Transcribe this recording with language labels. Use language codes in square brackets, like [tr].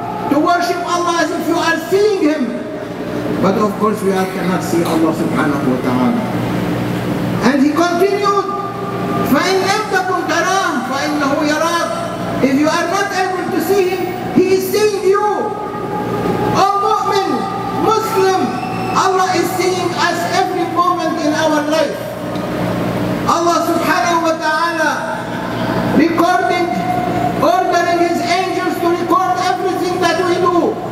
[en] To worship Allah as if you are seeing Him. But of course we are cannot see Allah subhanahu wa ta'ala. And he continued, [ar] فإن لم تكن تراه فإنه يراك. [en] If you are not able to see Him, He is seeing you. O mu'min, Muslim, Allah is seeing us every moment in our life. Allah subhanahu wa ta'ala recording, ordering His angels to record everything that we do.